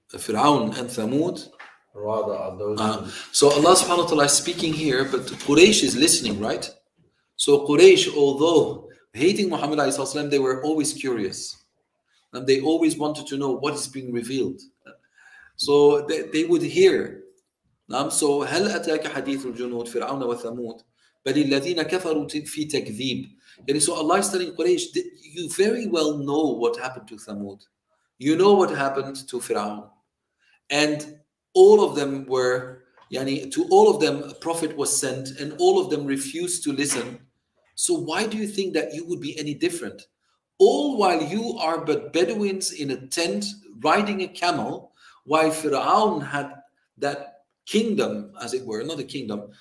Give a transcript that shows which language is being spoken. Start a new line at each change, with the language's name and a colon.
English: Fir'aun and Thamud. Rather are those. So Allah subhanahu wa ta'ala is speaking here, but Quraysh is listening, right? So Quraysh, although hating Muhammad alayhi sallam, they were always curious. And they always wanted to know what is being revealed. So they would hear.
Arabic: So, هل أتاك حديث الجنود فرعون وثمود بل الذين كفروا في تكذيب.
English: So Allah is telling Quraysh, you very well know what happened to Thamud. You know what happened to Fir'aun. And all of them were, yani, to all of them a prophet was sent and all of them refused to listen. So why do you think that you would be any different? All while you are but Bedouins in a tent riding a camel, while Fir'aun had that kingdom, as it were, not a kingdom.